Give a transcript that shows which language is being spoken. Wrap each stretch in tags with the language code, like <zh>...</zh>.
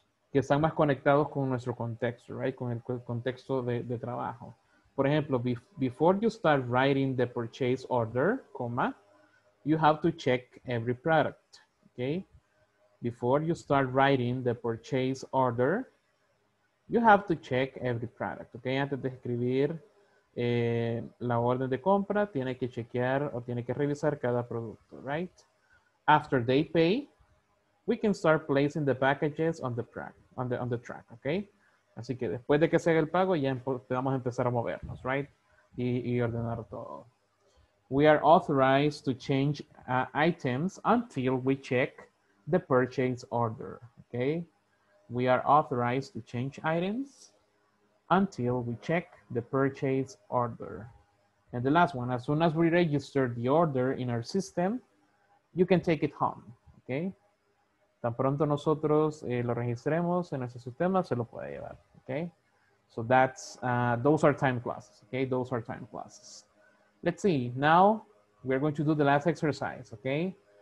<es>que están más conectados con nuestro contexto, right? Con el contexto de trabajo.</es> <en>Por ejemplo, before you start writing the purchase order, comma, you have to check every product, okay? Before you start writing the purchase order, you have to check every product, okay?</en> <es>Antes de escribir la orden de compra, tiene que chequear o tiene que revisar cada producto, right?</es> <en>After they pay, we can start placing the packages on the product. On the track, okay?</en> <es>Así que después de que se haga el pago, ya vamos a empezar a movernos, right?</es> <en>Y ordenar todo. We are authorized to change items until we check the purchase order, okay? We are authorized to change items until we check the purchase order. And the last one, as soon as we register the order in our system, you can take it home, okay?</en> <es>Tan pronto nosotros lo registremos en nuestro sistema, se lo puede llevar, okay?</es> <en>So that's, those are time clauses, okay? Those are time clauses. Let's see, now we're going to do the last exercise, okay?</en>